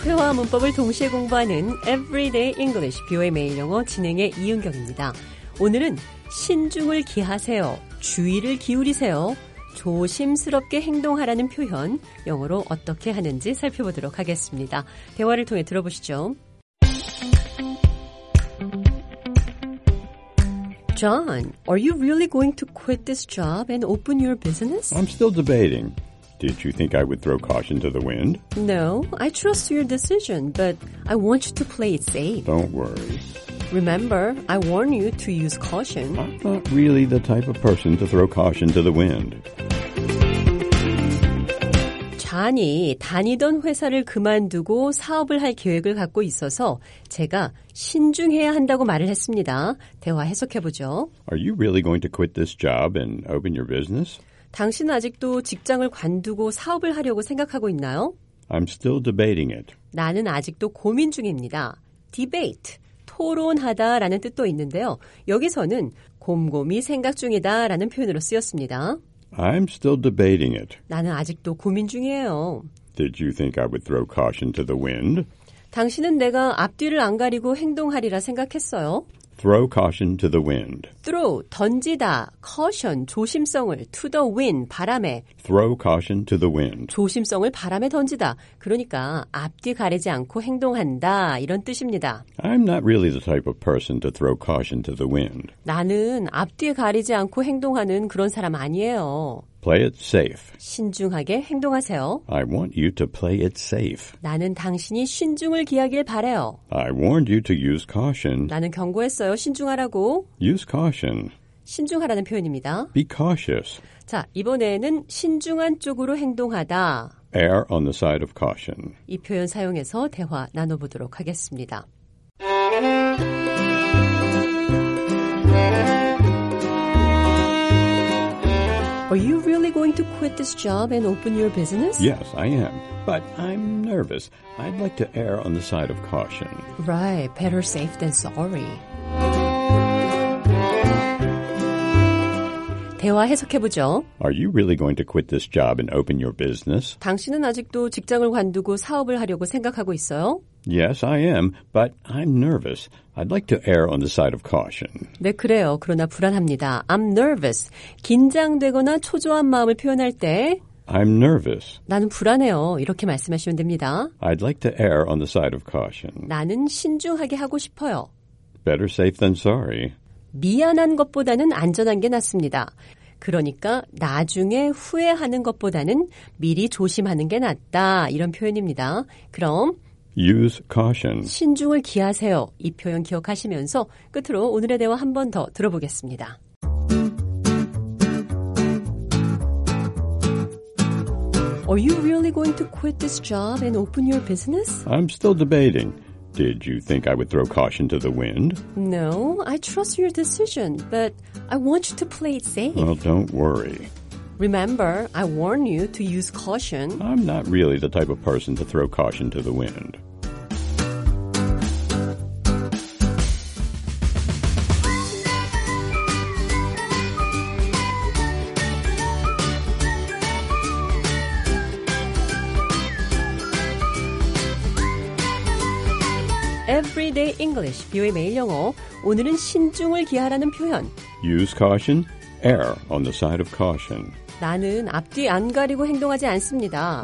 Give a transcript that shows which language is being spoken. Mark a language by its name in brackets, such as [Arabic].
[Korean] 회화 문법을 동시에 공부하는 Everyday English, VOA 매일 영어 진행의 이은경입니다. 오늘은 신중을 기하세요, 주의를 기울이세요, 조심스럽게 행동하라는 표현, 영어로 어떻게 하는지 살펴보도록 하겠습니다. 대화를 통해 들어보시죠. [English] John, are you really going to quit this job and open your business? I'm still debating. Did you think I would throw caution to the wind? No, I trust your decision, but I want you to play it safe. Don't worry. Remember, I warn you to use caution. I'm not really the type of person to throw caution to the wind. [Korean] John이 다니던 회사를 그만두고 사업을 할 계획을 갖고 있어서 제가 신중해야 한다고 말을 했습니다. 대화 해석해보죠. [English] Are you really going to quit this job and open your business? [Korean] 당신은 아직도 직장을 관두고 사업을 하려고 생각하고 있나요? [English] I'm still debating it. [Korean] 나는 아직도 고민 중입니다. Debate, 토론하다 라는 뜻도 있는데요. 여기서는 곰곰이 생각 중이다 라는 표현으로 쓰였습니다. [English] I'm still debating it. [Korean] 나는 아직도 고민 중이에요. [English] Did you think I would throw caution to the wind? [Korean] 당신은 내가 앞뒤를 안 가리고 행동하리라 생각했어요? [English] Throw caution to the wind. Throw, [Korean] 던지다, [English] caution, [Korean] 조심성을, [English] to the wind, [Korean] 바람에. [English] Throw caution to the wind. [Korean] 조심성을 바람에 던지다, 그러니까 앞뒤 가리지 않고 행동한다, 이런 뜻입니다. [English] I'm not really the type of person to throw caution to the wind. [Korean] 나는 앞뒤 가리지 않고 행동하는 그런 사람 아니에요. [English] Play it safe. [Korean] 신중하게 행동하세요. [English] I want you to play it safe. [Korean] 나는 당신이 신중을 기하길 바래요. [English] I warned you to use caution. [Korean] 나는 경고했어요. 신중하라고. [English] Use caution. [Korean] 신중하라는 표현입니다. [English] Be cautious. [Korean] 자, 이번에는 신중한 쪽으로 행동하다. [English] Err on the side of caution. [Korean] 이 표현 사용해서 대화 나눠보도록 하겠습니다. [English] Are you really going to quit this job and open your business? Yes, I am. But I'm nervous. I'd like to err on the side of caution. Right. Better safe than sorry. [Korean] 대화 해석해보죠. [English] Are you really going to quit this job and open your business? [Korean] 당신은 아직도 직장을 관두고 사업을 하려고 생각하고 있어요? [English] Yes, I am. But I'm nervous. I'd like to err on the side of caution. [Korean] 네, 그래요. 그러나 불안합니다. [English] I'm nervous. [Korean] 긴장되거나 초조한 마음을 표현할 때 [English] I'm nervous. [Korean] 나는 불안해요. 이렇게 말씀하시면 됩니다. [English] I'd like to err on the side of caution. [Korean] 나는 신중하게 하고 싶어요. [English] Better safe than sorry. [Korean] 미안한 것보다는 안전한 게 낫습니다. 그러니까 나중에 후회하는 것보다는 미리 조심하는 게 낫다. 이런 표현입니다. 그럼 [English] Use caution. [Korean] 신중을 기하세요. 이 표현 기억하시면서 끝으로 오늘의 대화 한 번 더 들어보겠습니다. [English] Are you really going to quit this job and open your business? I'm still debating. Did you think I would throw caution to the wind? No, I trust your decision, but I want you to play it safe. Well, don't worry. Remember, I warn you to use caution. I'm not really the type of person to throw caution to the wind. [Korean] Everyday English, 비오의 매일 영어. 오늘은 신중을 기하라는 표현. [English] Use caution, err on the side of caution. [Korean] 나는 앞뒤 안 가리고 행동하지 않습니다.